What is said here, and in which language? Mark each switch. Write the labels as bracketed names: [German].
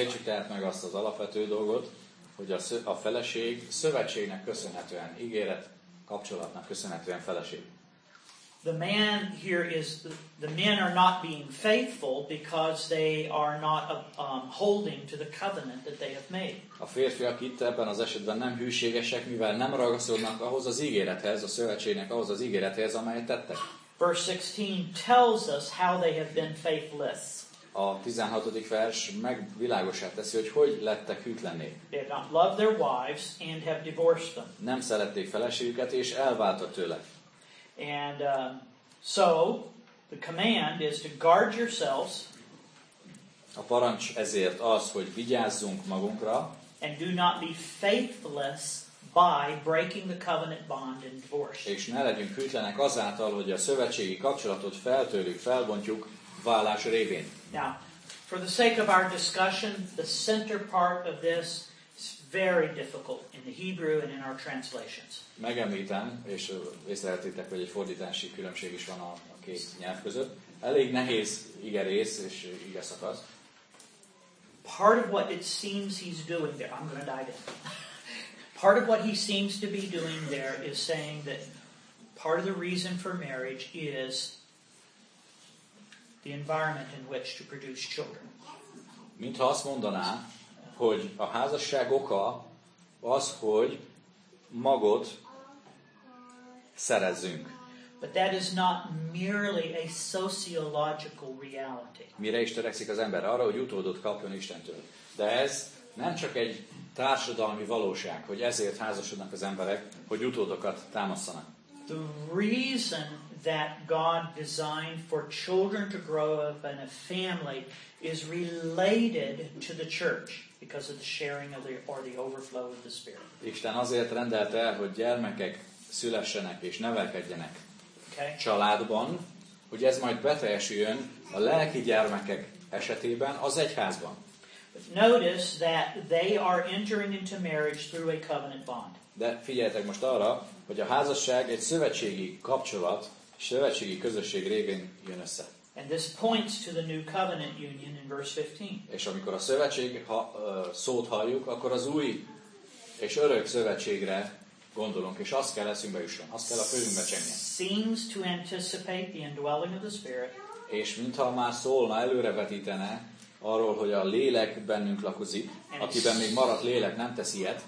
[Hungarian] Értsük tehát meg azt az alapvető dolgot, hogy a feleség szövetségnek köszönhetően ígéret kapcsolatnak köszönhetően feleség. [English] The man here is the men are not being faithful because they are not holding to the covenant that they have made. [Hungarian] A férfiak itt ebben az esetben nem hűségesek, mivel nem ragaszkodnak ahhoz az ígérethez, a szövetségnek ahhoz az ígérethez, amelyet tettek. [English] Verse 16 tells us how they have been faithless. [Hungarian] A 16. vers megvilágosá teszi, hogy hogy lettek hűtlenné. [English] They have not loved their wives and have divorced them. [Hungarian] Nem szerették feleségüket és elváltak tőle. [English] And so the command is to guard yourselves. [Hungarian] A parancs ezért az, hogy vigyázzunk magunkra. [English] And do not be faithless by breaking the covenant bond and divorce. [Hungarian] És ne legyünk hűtlenek azáltal, hogy a szövetségi kapcsolatot feltörjük, felbontjuk válás révén. [English] Now, for the sake of our discussion, the center part of this very difficult in the Hebrew and in our translations. [Hungarian] Megemlítem, és észrevettétek, hogy egy fordítási különbség is van a két nyelv között. Elég nehéz ige rész és ige szakasz. [English] Part of what it seems he's doing there, I'm going to dive in. Part of what he seems to be doing there is saying that part of the reason for marriage is the environment in which to produce children. [Hungarian] Mintha azt mondaná, hogy a házasság oka az, hogy magot szerezzünk. [English] But that is not merely a sociological reality. [Hungarian] Mire is törekszik az ember arra, hogy utódot kapjon Istentől. De ez nem csak egy társadalmi valóság, hogy ezért házasodnak az emberek, hogy utódokat támasszanak. [English] The reason that God designed for children to grow up in a family is related to the church because of the sharing of the or the overflow of the Spirit. [Hungarian] Isten azért rendelte el, hogy gyermekek szülessenek és nevelkedjenek családban, hogy ez majd beteljesüljön a lelki gyermekek esetében az egyházban. [English] Notice that they are entering into marriage through a covenant bond. [Hungarian] De figyeljetek most arra, hogy a házasság egy szövetségi kapcsolat, szövetségi közösség révén jön össze. [English] And this points to the new covenant union in verse 15. [Hungarian] És amikor a szövetség szót halljuk, akkor az új és örök szövetségre gondolunk, és azt kell eszünkbe jusson, azt kell a fülünkbe csengjen. [English] Seems to anticipate the indwelling of the Spirit. [Hungarian] És mintha már szólna, előrevetítene arról, hogy a lélek bennünk lakozik, akiben még maradt lélek nem tesz ilyet.